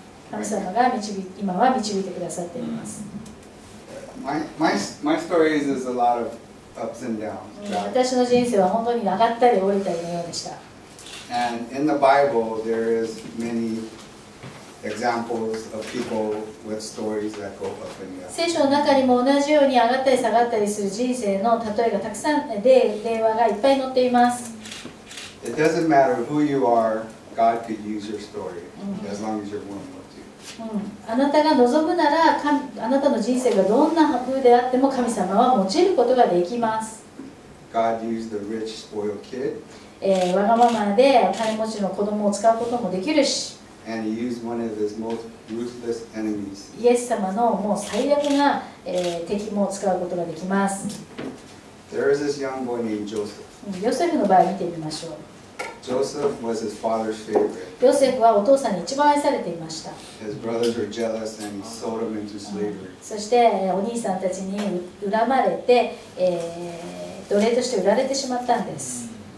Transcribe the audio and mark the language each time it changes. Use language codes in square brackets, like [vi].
[ja] 神様が今は導いてくださっています。 [en] My story is a lot of ups and downs. [ja] 私の人生は本当に上がったり下りたりのようでした。 [en] And in the Bible, there is many examples of people with stories that go up and down. [ja] 聖書の中にも同じように上がったり下がったりする人生の例えがたくさん、例話がいっぱい載っています。 [en] It doesn't matter who you are, God could use your story as long as you're willing to. [ja] あなたが望むなら、あなたの人生がどんな風であっても神様は用いることができます。 [en] God used the rich, spoiled kid. [ja] わがままで金持ちの子供を使うこともできるし。 [en] And he used one of his most ruthless enemies. [ja] イエス様のもう最悪な、敵も使うことができます。 [en] There is this young boy named Joseph. [ja] ヨセフの場合見てみましょう。 [en] Joseph was his father's favorite. [ja] ヨセフはお父さんに一番愛されていました。 [en] His brothers were jealous and he sold him into slavery. [ja] そしてお兄さんたちに恨まれて、奴隷として売られてしまったんです。